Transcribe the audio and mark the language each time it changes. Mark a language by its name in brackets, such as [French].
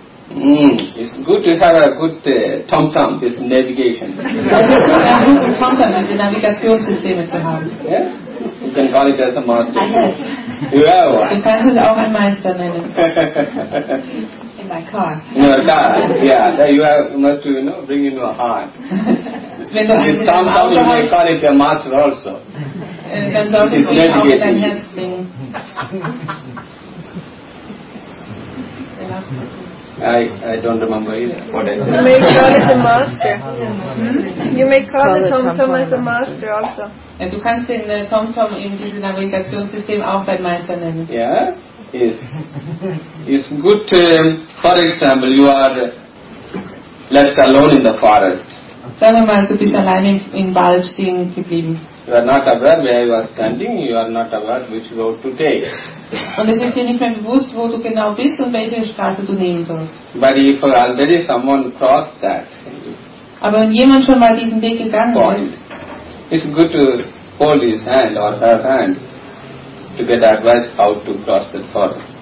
[English] It's good to have a good tom-tom, this navigation. [German] Es ist gut, ein guter tom-tom, diese Navigationssysteme zu haben. [English] You can call it as a master. Yes. You have one. [German] Du kannst es auch ein Meister nennen. [English] In my car. In your car, yeah. There you have, you must, you know, bring in your heart. [German] Wenn du [English] this tom-tom, you may call it a master also. [German] Dann solltest du auch dein Herz bringen. [English] I don't remember it. Whatever. You may call it the master. Hmm? You may call the tom-tom as the master also. [German] Und du kannst den TomTom in diesem Navigationssystem auch dein Meister nennen. [English] Yeah, is good. For example, you are left alone in the forest. [German] Sagen wir mal, du bist allein im Wald stehen geblieben. [English] You are not aware where you are standing. You are not aware which road to take. [German] Und es ist dir nicht mehr bewusst, wo du genau bist und welche Straße du nehmen sollst. [English] But if already someone crossed that. [German] Aber wenn jemand schon mal diesen Weg gegangen ist. [English] It's good to hold his hand or her hand to get advice how to cross the forest.